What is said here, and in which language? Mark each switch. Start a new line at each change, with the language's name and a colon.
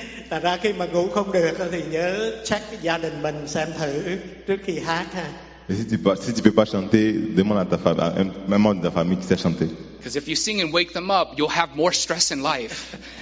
Vietnamese: Thành ra khi mà ngủ không được thì nhớ check gia đình mình xem thử trước khi hát ha.
French: Et si tu peux pas chanter, demande à ta famille, même à ta famille qui sait chanter.
English: Because if you sing and wake them up, you'll have more stress in life.